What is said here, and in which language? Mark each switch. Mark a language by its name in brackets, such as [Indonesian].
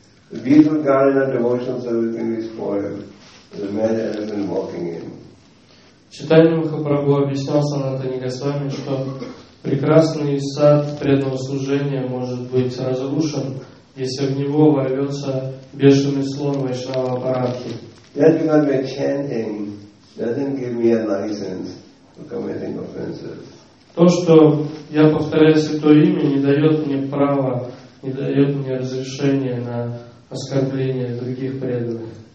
[English] The beautiful garden of devotional service can be spoiled by the mad elephant walking in. [Russian] Читание Махапрабху объяснял Санатани Госвами, что прекрасный сад преданного служения может быть разрушен, если в него ворвется бешеный слон вайшнава апаратхи. [English] That because my chanting doesn't give me a license for committing offenses. [Russian] То, что я повторяю святое имя, не дает мне права, не дает мне разрешения на оскорбления других преданных.